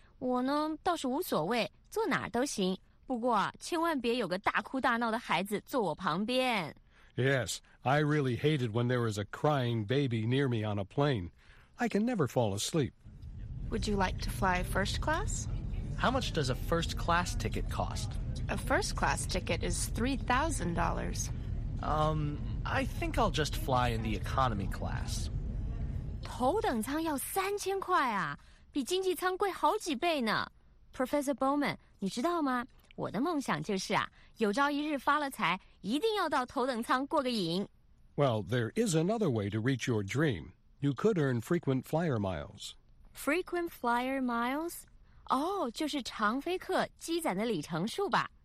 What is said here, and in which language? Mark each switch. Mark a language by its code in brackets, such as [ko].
[zh] 我呢倒是无所谓，坐哪儿都行，不过啊，千万别有个大哭大闹的孩子坐我旁边。 [en] Yes, I really hated when there was a crying baby near me on a plane. I can never fall asleep. Would you like to fly first class? How much does a first class ticket cost? A first class ticket is $3,000. I think I'll just fly in the economy class. [zh] 头等舱要3000块啊, 比经济舱贵好几倍呢。 Professor Bowman, 你知道吗? 我的梦想就是啊, 有朝一日发了财, 一定要到头等舱过个瘾。Well, [en] there is another way to reach your dream. You could earn frequent flyer miles. Frequent flyer miles? [zh] 哦,就是长飞客积攒的里程数吧。